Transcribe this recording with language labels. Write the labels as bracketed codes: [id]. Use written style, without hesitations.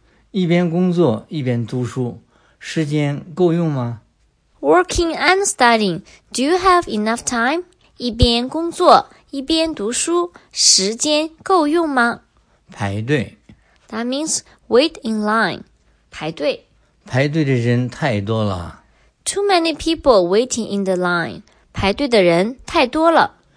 [zh] 一边工作一边读书，时间够用吗？ [en] Working and studying, do you have enough time? [zh] 一边工作一边读书，时间够用吗？排队。 [en] That means wait in line, 排队。 [zh] 排队的人太多了。 [en] Too many people waiting in the line, [zh] 排队的人太多了。